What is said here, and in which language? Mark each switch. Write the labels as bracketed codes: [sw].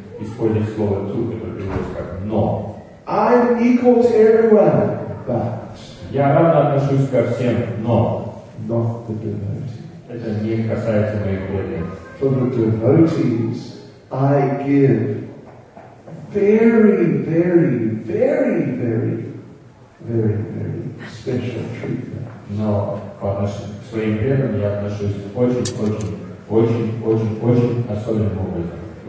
[en] He's pointing the word to, but it was like, no. I'm equal to everyone, but. [ru] Я равно отношусь ко всем, но. [en] Not the devotees. [ru] Это не касается моих преданных. [en] For the devotees, I give very, very, very, very, very, very special treatment. [ru] Но по отношению к своим преданным я отношусь очень, очень, очень, очень, очень особенным образом.